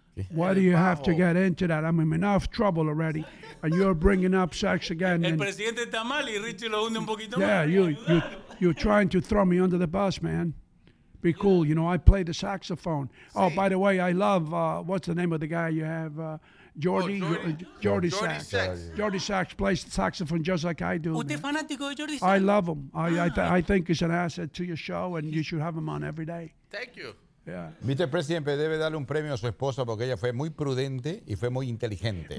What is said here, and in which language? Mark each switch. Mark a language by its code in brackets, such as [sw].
[en] Why do you have to get into that? I'm in enough trouble already, and you're bringing up sex again. [es] El presidente está mal y Richie lo hunde un poquito más. [en] Yeah, you're trying to throw me under the bus, man. Be cool. You know, I play the saxophone. Oh, by the way, I love, what's the name of the guy you have? Jordy Sax plays the saxophone just like I do. [es] ¿Usted fanático de Jordy Sax? [en] I love him. I think he's an asset to your show, and you should have him on every day. Thank you. Yeah. Mr. [es] President, debe darle un premio a su esposa porque ella fue muy prudente y fue muy inteligente.